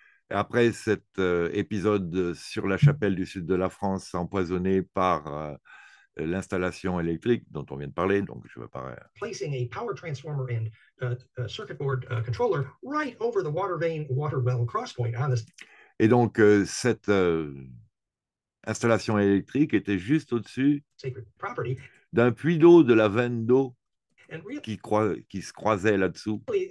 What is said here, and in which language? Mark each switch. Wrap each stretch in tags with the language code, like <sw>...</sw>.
<fr>Après cet épisode sur la chapelle du sud de la France empoisonnée par l'installation électrique dont on vient de parler, donc je veux pas.</fr> <en>Placing a power transformer and circuit board controller right over the water vein water well cross point on this.</en> <fr>Et donc, cette installation électrique était juste au-dessus d'un puits d'eau de la veine d'eau qui se croisait là-dessous.</fr>